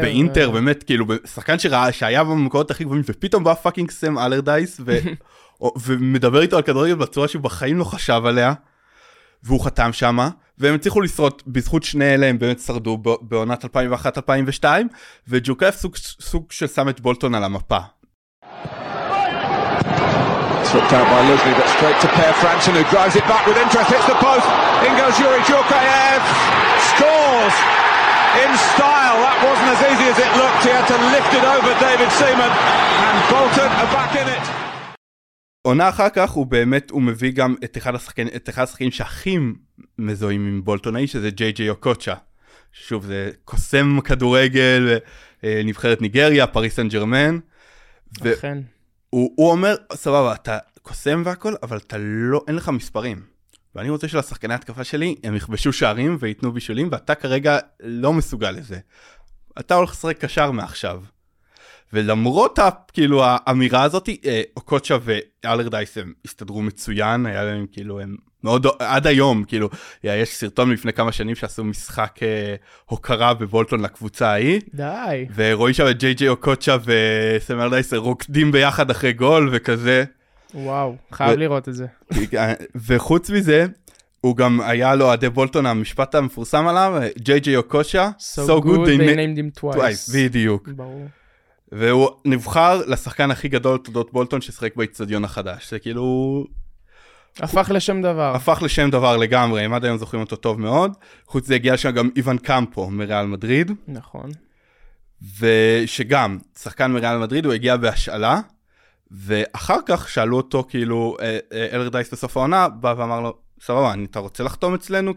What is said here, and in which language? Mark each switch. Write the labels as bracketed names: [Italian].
[Hebrew] באינטר, באמת, כאילו, שחקן שהיה במקורות הכי גבוהים, ופתאום בא פאקינג סם אלרדייס, ומדבר איתו על כדורגל בצורה שבחיים לא חשב עליה, והוא חתם שמה, והם הצליחו לשרוד, בזכות שני אלה הם באמת שרדו בעונת 2001-2002, וג'וקף סוג של שם את בולטון על המפה. [English] Slipped out by Lusley, but straight to Per Frampton, who drives it back with interest, hits the post, in goes Yuri Djurkaeff, scores in style, that wasn't as easy as it looked, he had to lift it over David Seaman, and Bolton are back in it. [Hebrew] עונה אחר כך הוא באמת, הוא מביא גם את אחד השחקנים שהכי מזוהים עם בולטונאי, שזה ג'י ג'י אוקוצ'ה. שוב, זה קוסם כדורגל, נבחרת ניגריה, פריס סן ג'רמן. אכן. הוא אומר, סבבה, אתה קוסם והכל, אבל אתה לא, אין לך מספרים. ואני רוצה שלשחקני התקפה שלי, הם יכבשו שערים ויתנו בישולים, ואתה כרגע לא מסוגל לזה. אתה הולך לשחק קשר מעכשיו. ולמרות כאילו האמירה הזאת, אוקוצ'ה ואלרדייס הם הסתדרו מצוין, היה להם כאילו, הם מאוד, עד היום, כאילו, יש סרטון לפני כמה שנים שעשו משחק הוקרה בבולטון לקבוצה ההיא. די. ורואים שם את ג'י ג'י אוקוצ'ה וסם אלדייס רוקדים ביחד אחרי גול וכזה. וואו, חייב לראות את זה. וחוץ מזה, הוא גם היה לו עדי בולטון המשפט המפורסם עליו, ג'י ג'י אוקוצ'ה, [English] So good they named him twice. [Hebrew] בדיוק. ברור. והוא נבחר לשחקן הכי גדול תודות בולטון ששחק באצטדיון החדש. זה כאילו... הפך לשם דבר. הפך לשם דבר לגמרי, אם עד היום זוכרים אותו טוב מאוד. חוץ זה הגיע שם גם איוון קמפו מריאל מדריד. נכון. ושגם, שחקן מריאל מדריד, הוא הגיע בהשאלה, ואחר כך שאלו אותו כאילו, אלרדייס בסוף העונה, בא ואמר לו, סבבה, אתה רוצה לחתום אצלנו?